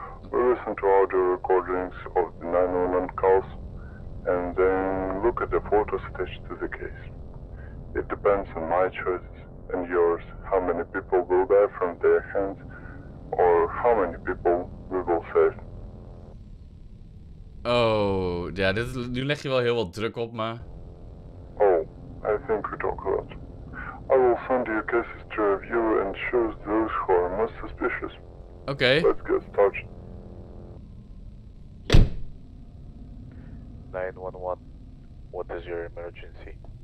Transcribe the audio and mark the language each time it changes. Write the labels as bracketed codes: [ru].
[en] We listen to audio recordings of the 911 calls. And then look at the photos attached to the case. It depends on my choices and yours how many people will die from their hands or how many people we will save. [nl] Oh, ja, dit, nu leg je wel heel wat druk op me. [en] Oh, I think we talk a lot. I will send you cases to review and choose those who are most suspicious. Okay. Let's get started. 911, what is your emergency?